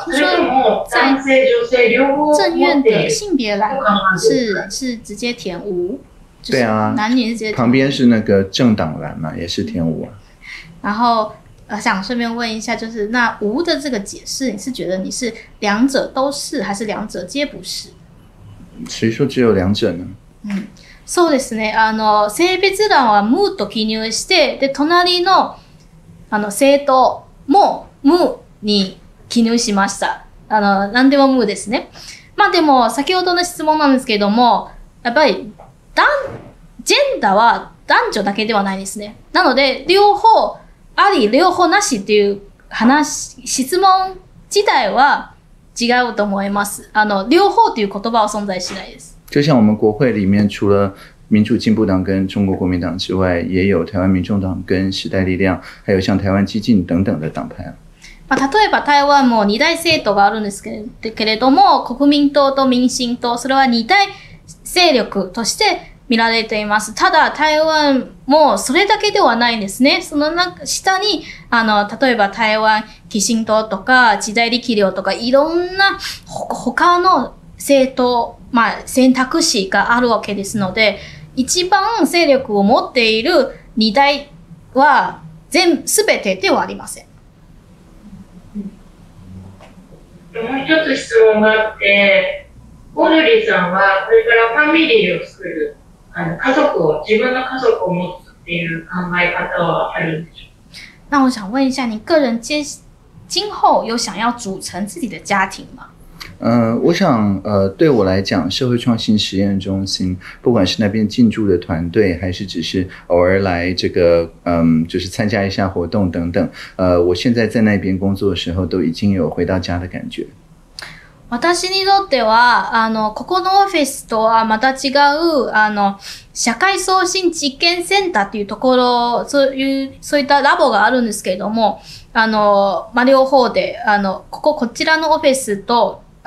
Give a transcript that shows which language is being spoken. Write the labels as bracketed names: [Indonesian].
[Japanese] それとも男性女性両方持っている [Chinese] 性別欄是直接填無。对啊，男女直接旁边是那个政党欄嘛，也是填無啊。然后想顺便问一下，就是那無的这个解释，你是觉得你是两者都是，还是两者皆不是？谁说只有两者呢？ [Japanese] そうですね。あの性別欄は無と記入して、で隣のあの政党も無に記入しました。あの何でも無ですね。まあでも先ほどの質問なんですけども、やっぱりジェンダーは男女だけではないですね。なので両方あり両方なしっていう話質問自体は違うと思います。あの両方という言葉は存在しないです。 [Chinese] 就像我们国会里面除了民主进步党跟中国国民党之外，也有台湾民众党跟时代力量，还有像台湾激进等等的党派。 [Japanese] 例えば台湾も二大政党があるんですけれども、国民党と民進党、それは二大勢力として見られています。ただ台湾もそれだけではないんですね。その下にあの例えば台湾基進党とか時代力量とかいろんな他の政党、まあ、選択肢があるわけですので、一番勢力を持っている二大は全てではありません。もう一つ質問があって、オードリーさんはこれからファミリーを作る家族を自分の家族を持つっていう考え方はあるんでしょうか。 [Chinese] 那我想问一下，你个人今后有想要组成自己的家庭吗？我想对我来讲，社会创新实验中心不管是那边进驻的团队还是只是偶尔来这个就是参加一下活动等等，我现在在那边工作的时候都已经有回到家的感觉。 [Japanese] 私にとってはここのオフィスとはまた違う社会創新実験センターっていうところ、そういったラボがあるんですけれども、まあ、両方で、こちらのオフィスと、